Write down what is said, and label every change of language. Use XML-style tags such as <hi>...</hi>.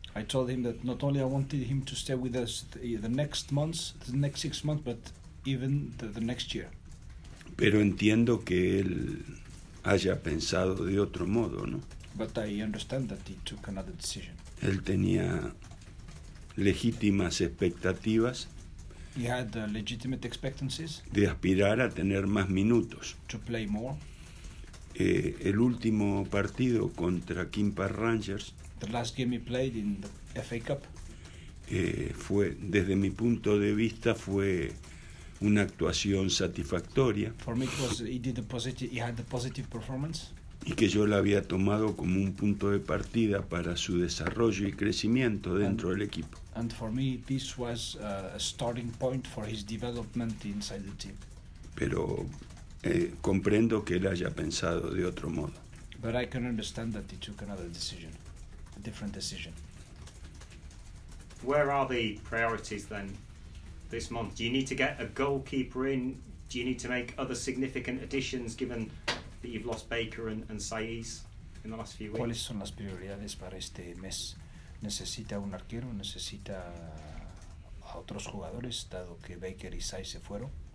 <en>I told him that not only I wanted him to stay with us the next six months, but even the next year.</en> <es>Pero entiendo que él haya pensado de otro modo, ¿no?</es> <en>But I understand that he took another decision.</en> <es>Él tenía legítimas expectativas.</es> <en>He had legitimate expectancies.</en> <es>De aspirar a tener más minutos.</es> <en>To play more.</en> <es>El último partido contra Kimpa Rangers.</es> <en>The last game he played in the FA Cup.</en> <es>Fue, desde mi punto de vista, fue una actuación satisfactoria.</es> <en>For me, he had a positive performance.</en> <es>Y que yo la había tomado como un punto de partida para su desarrollo y crecimiento dentro del equipo.</es> <en>And for me, this was a starting point for his development inside the team.</en> <es>Pero comprendo que él haya pensado de otro modo.</es> <en>But I can understand that he took another decision, a different decision. Where are the priorities then this month? Do you need to get a goalkeeper in? Do you need to make other significant additions given that you've lost Baker and Saiz in the last few weeks?</en> <es>¿Cuáles son las prioridades para este mes? ¿Necesita un arquero? ¿Necesita a otros jugadores, dado que Baker y Saiz se fueron?</es>